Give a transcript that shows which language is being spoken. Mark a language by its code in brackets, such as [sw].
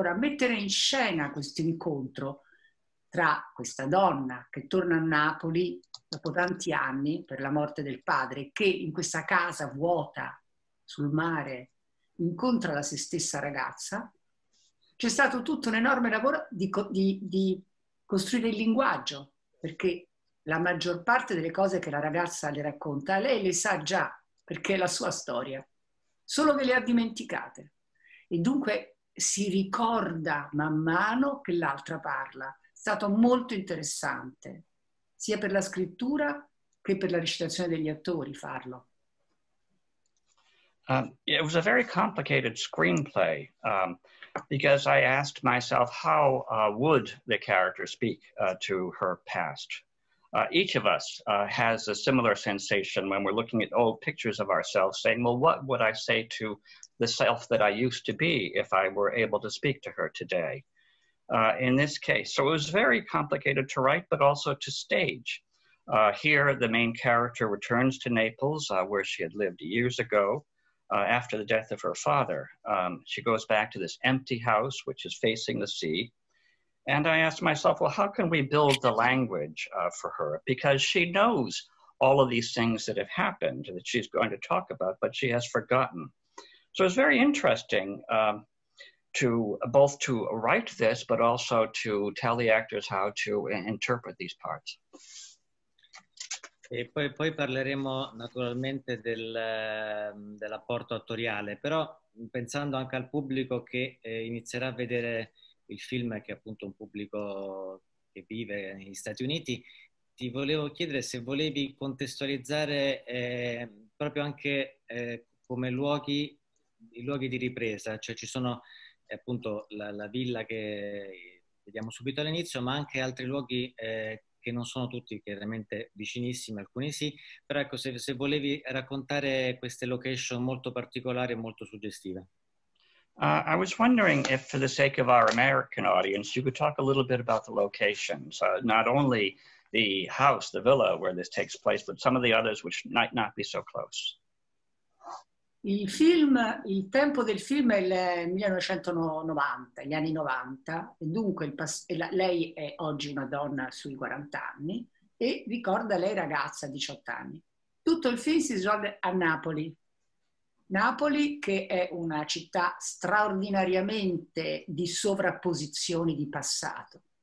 [it] Ora, mettere in scena questo incontro tra questa donna che torna a Napoli dopo tanti anni per la morte del padre, che in questa casa vuota sul mare incontra la se stessa ragazza, c'è stato tutto un enorme lavoro di costruire il linguaggio, perché la maggior parte delle cose che la ragazza le racconta, lei le sa già, perché è la sua storia. Solo che le ha dimenticate, e dunque si ricorda man mano che l'altra parla. È stato molto interessante, sia per la scrittura che per la recitazione degli attori, farlo. [en] It was a very complicated screenplay, because I asked myself how would the character speak to her past. Each of us has a similar sensation when we're looking at old pictures of ourselves, saying, well, what would I say to the self that I used to be if I were able to speak to her today? In this case, so it was very complicated to write, but also to stage. Here, the main character returns to Naples, where she had lived years ago, after the death of her father. She goes back to this empty house, which is facing the sea. And I asked myself, well, how can we build the language for her? Because she knows all of these things that have happened that she's going to talk about, but she has forgotten. So it's very interesting to write this, but also to tell the actors how to interpret these parts. [it] E poi parleremo naturalmente dell'apporto attoriale, però pensando anche al pubblico che inizierà a vedere il film, che è appunto un pubblico che vive negli Stati Uniti, ti volevo chiedere se volevi contestualizzare proprio anche come luoghi, i luoghi di ripresa, cioè ci sono appunto la villa che vediamo subito all'inizio, ma anche altri luoghi che non sono tutti chiaramente vicinissimi, alcuni sì, però ecco, se volevi raccontare queste location molto particolari e molto suggestive. [en] I was wondering if, for the sake of our American audience, you could talk a little bit about the locations, not only the house, the villa where this takes place, but some of the others which might not be so close. [it] Il film, il tempo del film è il 1990, gli anni 90, e dunque lei è oggi una donna sui 40 anni e ricorda lei ragazza, 18 anni. Tutto il film si svolge a Napoli. Napoli, che è una città straordinariamente di sovrapposizioni di passato.